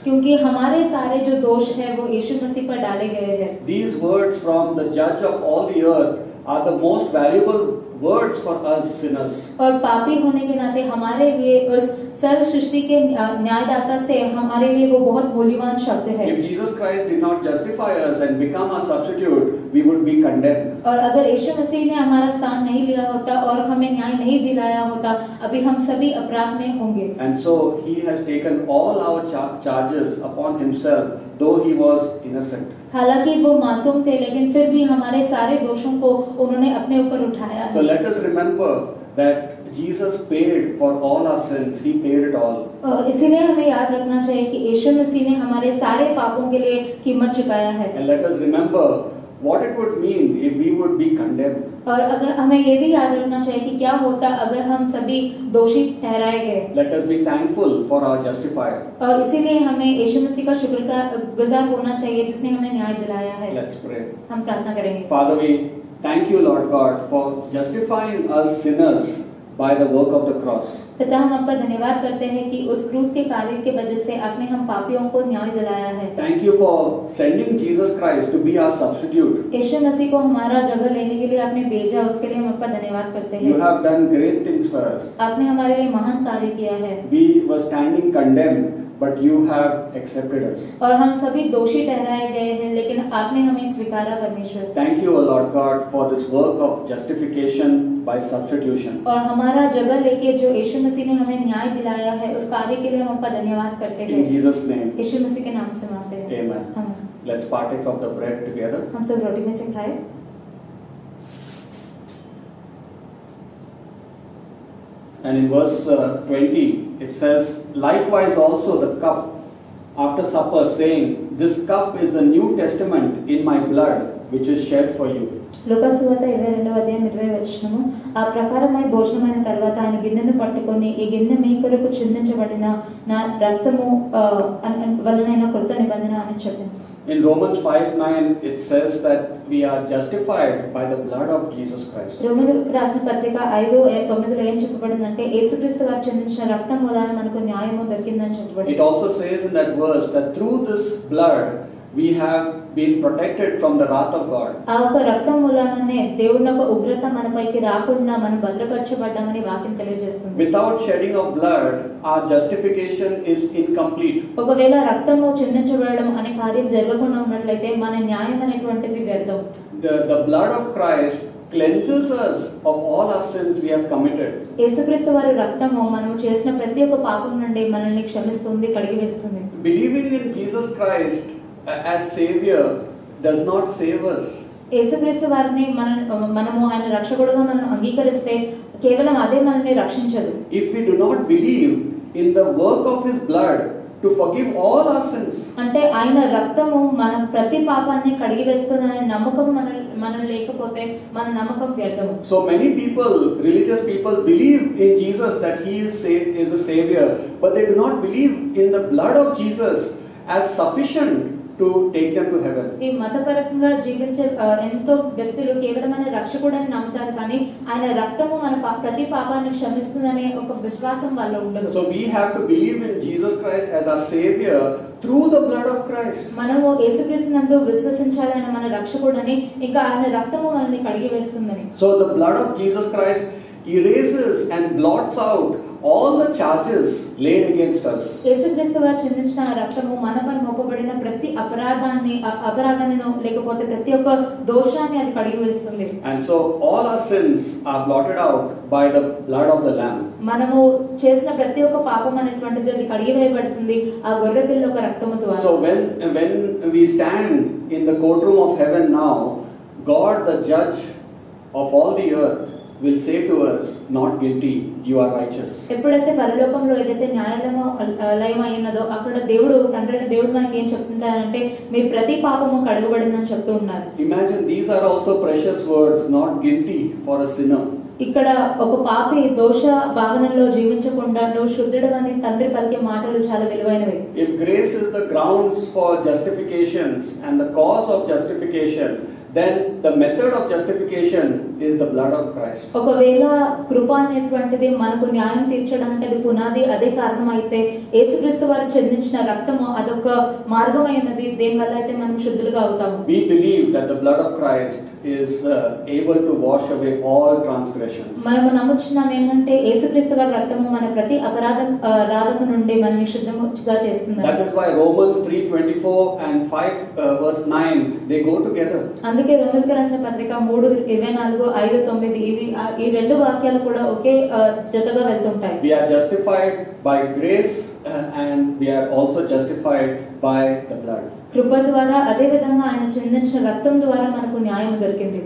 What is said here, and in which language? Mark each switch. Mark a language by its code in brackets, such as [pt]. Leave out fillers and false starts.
[hi] क्योंकि हमारे सारे जो दोष हैं वो यीशु मसीह पर डाले गए हैं. [en] These words from the judge of all the earth are the most valuable words for us sinners. [hi] और पापी होने के नाते हमारे लिए उस सर्व सृष्टि के न्यायदाता से हमारे लिए वो बहुत मूल्यवान शब्द है. [en] If Jesus Christ did not justify us and become our substitute, we would be condemned. [hi] और अगर यीशु मसीह ने हमारा स्थान नहीं लिया होता और हमें न्याय नहीं दिलाया होता अभी हम सभी अपराध में होंगे. [en] And so he has taken all our charges upon himself though he was innocent. [hi] हालांकि वो मासूम थे लेकिन फिर भी हमारे सारे दोषों को उन्होंने अपने ऊपर उठाया. [en] So let us remember that Jesus paid for all our sins. He paid it all. [hi] और इसीलिए हमें याद रखना चाहिए कि यीशु मसीह ने हमारे सारे पापों के लिए कीमत चुकाया है. [en] And let us remember what it would mean if we would be condemned. [hi] और अगर हमें ये भी याद रखना चाहिए कि क्या होता अगर हम सभी दोषी ठहराए गए. [en] Let us be thankful for our justifier. [hi] और इसीलिए हमें यीशु मसीह का शुक्रगुजार होना चाहिए जिसने हमें न्याय दिलाया है. [en] Let's pray. [hi] हम प्रार्थना करेंगे. [en] Father, we thank you, Lord God, for justifying us sinners. By the work of the cross. [hi] पिता हम आपका धन्यवाद करते हैं कि उस क्रूस के कार्य के वजह से आपने हम पापियों को न्याय दिलाया है. [en] Thank you for sending Jesus Christ to be our substitute. [hi] यीशु मसीह को हमारा जगह लेने के लिए आपने भेजा उसके लिए हम आपका धन्यवाद करते हैं. [en] You have done great things for us. [hi] आपने हमारे लिए महान कार्य किया है. [en] We were standing condemned, but you have accepted us. [hi] और हम सभी दोषी ठहराए गए हैं लेकिन आपने हमें स्वीकारा परमेश्वर. [en] Thank you, O Lord God, for this work of justification by substitution. [hi] और हमारा जगह लेके जो यीशु मसीह ने हमें न्याय दिलाया है उस कार्य के लिए हम आपका धन्यवाद करते हैं. [en] In Jesus name. [hi] यीशु मसीह के नाम से मांगते हैं. [en] Amen. [hi] हाँ. [en] Let's partake of the bread together. [hi] हम सब रोटी में से खाएं. [en] And in verse 20, it says, likewise also the cup after supper, saying, this cup is the new testament in my blood, which is shed for you. [te] లోకా సువార్త 22:20 ఆ ప్రకారమై భోజనమైన తర్వాత ఆయన గిన్నెను పట్టుకొని ఈ గిన్నె మీ కొరకు చిందించబడిన నా రక్తము వలన కొత్త నిబంధన అని చెప్పింది. [en] In Romans 5:9 it says that we are justified by the blood of Jesus Christ. [te] రోమీయుల రాసిన పత్రిక 5:9లో ఏం చెప్పబడిందంటే యేసుక్రీస్తు వారు చిందించిన రక్తం ద్వారా మనకు న్యాయము దొరికిందని చెప్పబడింది. [en] It also says in that verse that through this blood we have been protected from the wrath of God. [te] ఆ రక్తం మూలననే దేవునికి ఉగ్రత మనపైకి రాకుండా మనం భద్రపరచబడ్డామని వాక్యం తెలియజేస్తుంది. [en] Without shedding of blood our justification is incomplete. [te] ఒకవేళ రక్తము చిందించబడడం అనే కార్యం జరగకుండా ఉన్నట్లయితే మన న్యాయం అనేటువంటిది వ్యర్థం. [en] The blood of Christ cleanses us of all our sins we have committed. [te] యేసుక్రీస్తు వారి రక్తము మనము చేసిన ప్రతి ఒక్క పాపం నుండి మనల్ని క్షమిస్తుంది కడిగివేస్తుంది. [en] Believing in Jesus Christ as savior does not save us. [te] యేసుక్రీస్తు వారిని మనము ఆయన రక్షకుడుగా మనం అంగీకరిస్తే కేవలం అదే మనల్ని రక్షించదు. [en] If we do not believe in the work of his blood to forgive all our sins. [te] అంటే ఆయన రక్తము మన ప్రతి పాపాన్ని కడిగి వేస్తుందని నమ్మకం మనం లేకపోతే మన నమ్మకం వ్యర్థం. [en] So many people, religious people, believe in Jesus that he is a savior, but they do not believe in the blood of Jesus as sufficient to take them to heaven. [te] ఈ మతపరంగా జీవించే ఎంతో వ్యక్తులు కేవలమైన రక్షకుడని నమ్ముతారు కానీ ఆయన రక్తము మన ప్రతి పాపాన్ని క్షమిస్తుందని ఒక విశ్వాసం వాళ్ళు ఉండదు. [en] So we have to believe in Jesus Christ as our savior through the blood of Christ. [te] మనము యేసుక్రీస్తునందు విశ్వసించాలని మన రక్షకుడని ఇంకా ఆయన రక్తము మనల్ని కడిగి వేస్తుందని. [en] So the blood of Jesus Christ erases and blots out all the charges laid against us. [te] యేసుక్రీస్తు వారు చిందించిన రక్తము మనపై మోపబడిన ప్రతి అపరాధాన్ని లేకపోతే ప్రతి ఒక్క దోషాన్ని అది కడిగివేస్తుంది. [en] And so all our sins are blotted out by the blood of the lamb. [te] మనము చేసిన ప్రతి ఒక్క పాపం అనేటువంటిది అది కడిగివేయబడుతుంది ఆ గొర్రె పిల్ల యొక్క రక్తము ద్వారా. [en] So when we stand in the courtroom of heaven now, God the judge of all the earth will say to us, not guilty, you are righteous. [te] ఎప్పుడైతే పరలోకంలో ఏదైతే న్యాయాలయం అయినదో అక్కడ దేవుడు తండ్రి దేవుడు మనకి ఏం చెప్తుంటారంటే మీ ప్రతి పాపము కడగబడిందని చెప్తూ ఉన్నారు. [en] Imagine these are also precious words, not guilty for a sinner. [te] ఇక్కడ ఒక పాపి దోష భావనలో జీవించకుండా నువ్వు శుద్ధుడు అని తండ్రి పలికే మాటలు చాలా విలువైనవి. [en] If grace is the grounds for justifications and the cause of justification, then the method of justification is the blood of Christ. [te] ఒకవేళ కృప అనేటువంటిది మనకు న్యాయం తీర్చడానికి అది పునాది అదే కారణమైతే యేసుక్రీస్తు వారు చిందించిన రక్తము అదొక మార్గమైనది దేనివల్ల అయితే మనం శుద్ధులుగా అవుతాం. [en] We believe that the blood of Christ is able to wash away all transgressions. [te] మనము నమ్ముచున్నాం ఏమంటే యేసుక్రీస్తు వారి రక్తము మన ప్రతి అపరాధం రాధము నుండి మనల్ని శుద్ధముగా చేస్తుంది. [en] That is why Romans 3:24 and 5:9 they go together. [te] అందుకే రోమీలకు రాసిన పత్రిక 3:24-5 ఈ రెండు వాక్యాలు కూడా ఒకే జతగా వెళ్తుంటాయి. [en] We are justified by grace and we are also justified by the blood. [te] కృప ద్వారా అదే విధంగా ఆయన చిందించిన రక్తం ద్వారా మనకు న్యాయం దొరికింది.